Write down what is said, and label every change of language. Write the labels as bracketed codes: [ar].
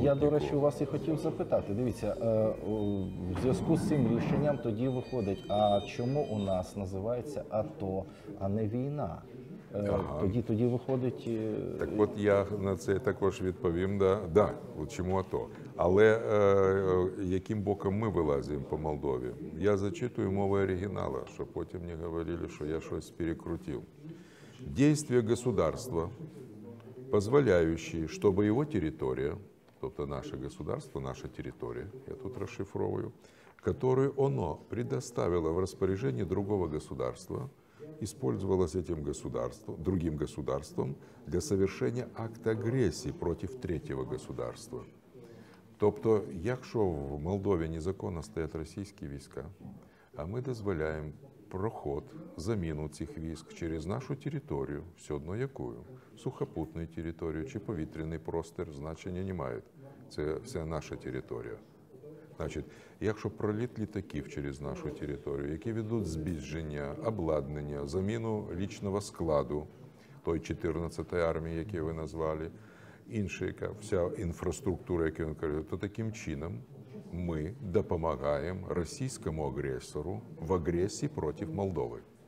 [uk] От я, до речі, у вас і хотів запитати. Дивіться, в зв'язку з цим рішенням тоді виходить, а чому у нас називається АТО, а не війна? Ага. Тоді виходить... Так от я на це також відповім, да, да, чому АТО. Але яким боком ми вилазимо по Молдові? Я зачитую мову оригіналу, щоб потім не говорили, що я щось перекрутив. [ru] Дійство государства, позволяющие, чтобы его территория, [uk] тобто наше [ru] государство, наша территория, я тут расшифровую, которую оно предоставило в распоряжение другого государства, использовалось этим государством, другим государством для совершения акта агрессии против третьего государства. [uk] Тобто, якщо в Молдові незаконно стоят російські війська, а ми дозволяємо проход, заміну цих військ через нашу територію, все одно якою, сухопутну територію чи повітряний простір, значення не мають. Це вся наша територія. Значить, якщо проліт літаків через нашу територію, які ведуть збільження, обладнання, заміну лічного складу той 14-ї армії, яку ви назвали, інша, вся інфраструктура, яку він каже, то таким чином ми допомагаємо російському агресору в агресії проти Молдови.